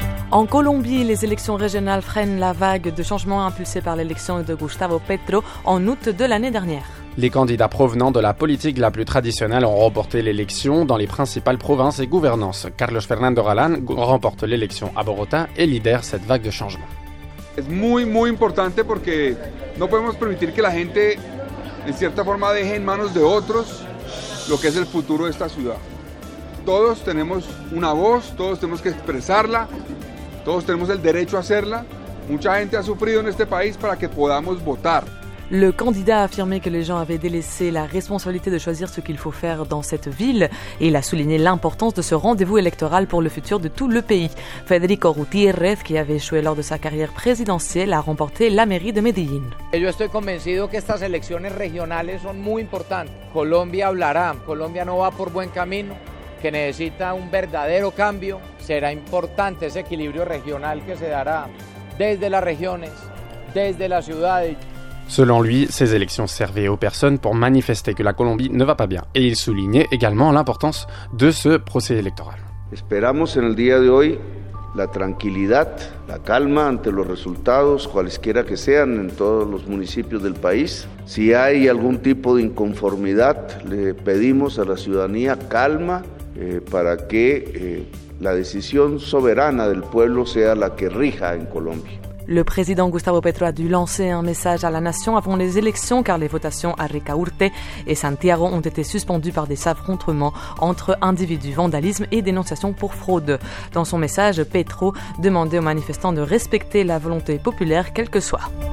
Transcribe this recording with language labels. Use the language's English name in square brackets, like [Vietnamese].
[French] En Colombie, les élections régionales freinent la vague de changements impulsés par l'élection de Gustavo Petro en août de l'année dernière. Les candidats provenant de la politique la plus traditionnelle ont remporté l'élection dans les principales provinces et gouvernances. Carlos Fernando Galán remporte l'élection à Bogota et lidère cette vague de changement. [Spanish] Es muy muy importante porque no podemos permitir que la gente en cierta forma deje en manos de otros lo que es el futuro de esta ciudad. Todos tenemos una voz, todos tenemos que expresarla, todos tenemos el derecho a hacerla. Mucha gente ha sufrido en este país para que podamos votar. [French] Le candidat a affirmé que les gens avaient délaissé la responsabilité de choisir ce qu'il faut faire dans cette ville et il a souligné l'importance de ce rendez-vous électoral pour le futur de tout le pays. Federico Gutiérrez, qui avait échoué lors de sa carrière présidentielle, a remporté la mairie de Medellín. [Spanish] Yo estoy convencido que estas elecciones regionales son muy importantes. Colombia hablará. Colombia no va por buen camino, que necesita un verdadero cambio. Será importante ese equilibrio regional que se dará desde las regiones, desde las ciudades. [French] Selon lui, ces élections servaient aux personnes pour manifester que la Colombie ne va pas bien. Et il soulignait également l'importance de ce procès électoral. [Spanish] Esperamos en el día de hoy la tranquilidad, la calma ante los resultados, cualesquiera que sean en todos los municipios del país. Si hay algún tipo de inconformidad, le pedimos a la ciudadanía calma para que la decisión soberana del pueblo sea la que rija en Colombia. [French] Le président Gustavo Petro a dû lancer un message à la nation avant les élections car les votations à Ricaurte et Santiago ont été suspendues par des affrontements entre individus, vandalisme et dénonciations pour fraude. Dans son message, Petro demandait aux manifestants de respecter la volonté populaire, quelle que soit.